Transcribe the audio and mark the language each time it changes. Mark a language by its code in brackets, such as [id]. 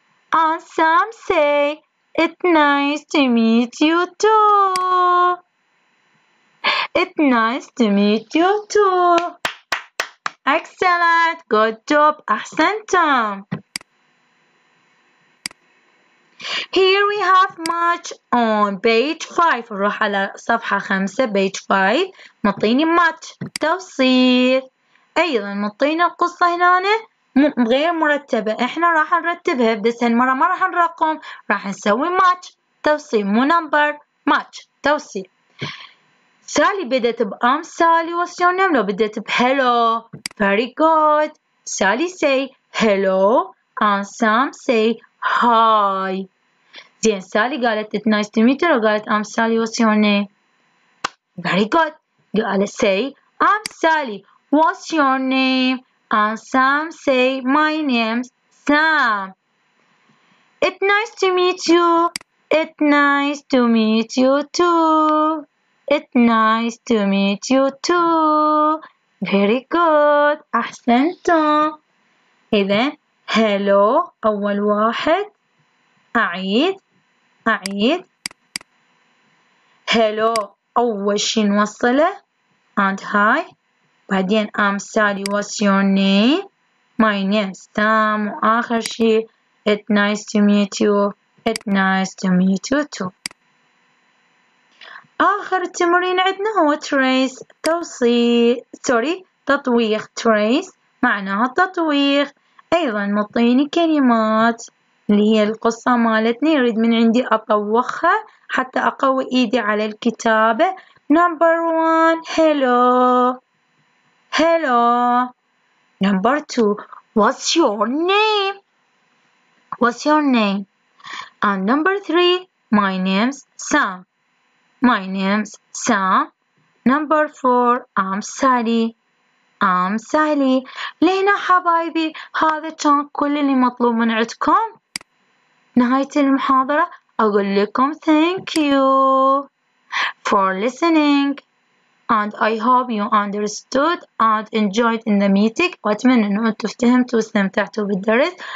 [en] And Sam say, it's nice to meet you too. It's nice to meet you too. Excellent. Good job. [ar] أحسنتم. [en] Here we have match on page 5. [ar] نروح على صفحة 5, [en] page 5. [ar] مطيني match. توصيل. أيضا مطينا القصة هنا غير مرتبة. إحنا راح نرتبها بس هالمرة ما راح نرقم. راح نسوي match. توصيل مو number. Match. توصيل. سالي بدأت ب [en] I'm Sally. What's your name? [ar] لو بدأت ب hello. [en] Very good. Sally say hello. And Sam say hi. [ar] زين سالي قالت [en] it's nice to meet you. [ar] لو قالت [en] I'm Sally. What's your name? Very good. [ar] قالت [en] say I'm Sally. What's your name? And Sam say, my name's Sam. It's nice to meet you. It's nice to meet you too. It's nice to meet you too. Very good. [ar] أحسنتم. إذن, hello, أول واحد. أعيد. أعيد. Hello, أول شي نوصله. [en] And hi. [ar] بعدين [en] I'm Sally. What's your name? My name's Sam. [ar] وآخر شيء [en] it's nice to meet you. It's nice to meet you too. [ar] آخر تمرين عندنا هو trace. توصيل. Sorry. تطويق. Trace معناها تطويق. أيضا مطيني كلمات اللي هي القصة مالتني يريد من عندي أطوخها حتى أقوي إيدي على الكتابة. [en] Number one. Hello. Hello. Number 2. What's your name? What's your name? And number 3. My name's Sam. My name's Sam. Number 4. I'm Sally. [ar] أم سالي لينا حبايبي، هذا كان كل اللي مطلوب من عندكم. نهاية المحاضرة أقول لكم [en] thank you for listening and I hope you understood and enjoyed in the meeting. [ar] وأتمنى أن أنتم فهمتوا واستمتعتوا بالدرس.